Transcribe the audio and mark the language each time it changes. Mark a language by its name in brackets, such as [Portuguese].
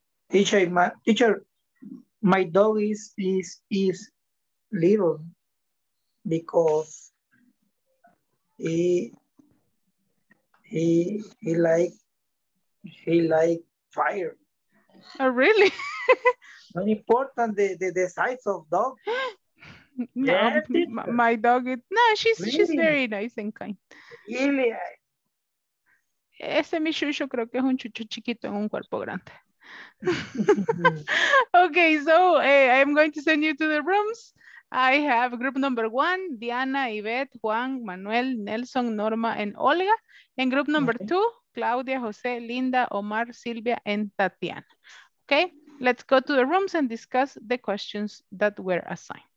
[English] Teacher, my dog is little because he like fire. Oh, really? Not important the size of dog. No, yeah, my dog is, no, she's really? She's very nice and kind. Really? [Spanish] Ese mi chucho creo que es un chucho chiquito en un cuerpo grande. [English] Okay, so I'm going to send you to the rooms. I have group number 1, Diana, Yvette, Juan, Manuel, Nelson, Norma, and Olga. And group number 2, Claudia, Jose, Linda, Omar, Silvia, and Tatiana. Okay, let's go to the rooms and discuss the questions that were assigned.